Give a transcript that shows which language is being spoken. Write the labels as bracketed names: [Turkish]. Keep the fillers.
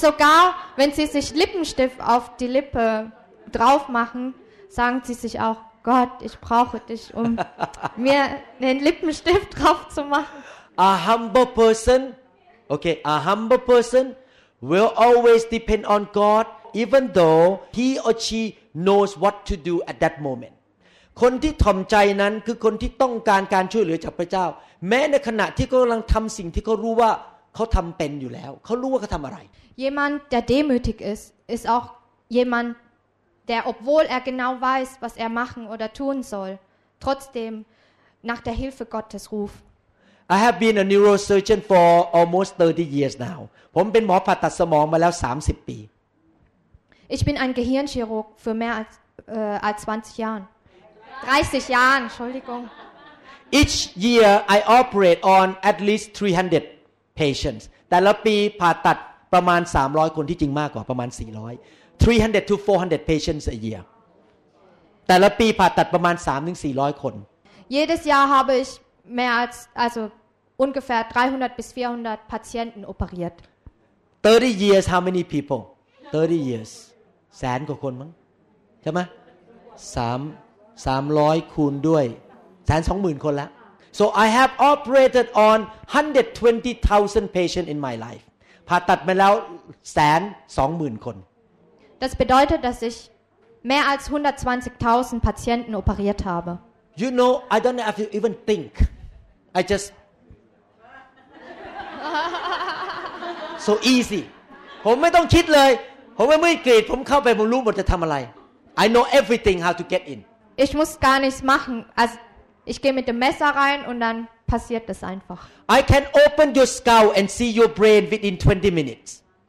[German] sogar wenn sie sich Lippenstift auf die Lippe drauf machen sagen sie sich auch Gott ich brauche dich um mir einen Lippenstift drauf zu machen [English] A humble person okay a humble person will always depend on God even though he or she knows what to do at that moment [Thai] คนที่ถ่อมใจนั้นคือคนที่ต้องการการช่วยเหลือจากพระเจ้า แม้ในขณะที่กําลังทําสิ่งที่เขารู้ว่าเขาทําเป็นอยู่แล้ว เขารู้ว่าเขาทําอะไร [German] jemand der demütig ist ist auch jemand der obwohl er genau weiß was er machen oder tun soll trotzdem nach der hilfe gottes ruft [English] I have been a neurosurgeon for almost 30 years now. [Thai] ผมเป็นหมอผ่าตัดสมองมาแล้ว 30ปี [German] Ich bin ein Gehirnchirurg für mehr als, äh, als 20 Jahren. 30 Jahren, Entschuldigung. [English] Each year I operate on at least 300 patients. [Thai] แต่ละปีผ่าตัดประมาณ 300 คนที่จริงมากกว่าประมาณ 400 [English] 300 to 400 patients a year [Thai] แต่ละปีผ่าตัดประมาณ 3 400 คน [German] Jedes Jahr habe ich mehr als also ungefähr 300 bis 400 Patienten operiert [English] 30 years how many people 30 years [Thai] แสนกว่าคนมั้งใช่ไหม3 300คูณด้วยแสนสองหมื่นคนแล้ว [English] so I have operated on 120,000 patient in my life [Thai] ผ่าตัดมาแล้วแสนสองหมื่นคน [German] das bedeutet dass ich mehr als 120,000 Patienten operiert habe [English] you know I don't have to even think I just so easy [Thai] ผมไม่ต้องคิดเลย ผมไม่ไม่กรีดผมเข้าไปผมรู้หมดจะทำอะไร [English] I know everything how to get in [German] ich muss gar nichts machen. Also ich gehe mit dem Messer rein und dann passiert das einfach. [English] I can open your skull and see your brain within 20 minutes.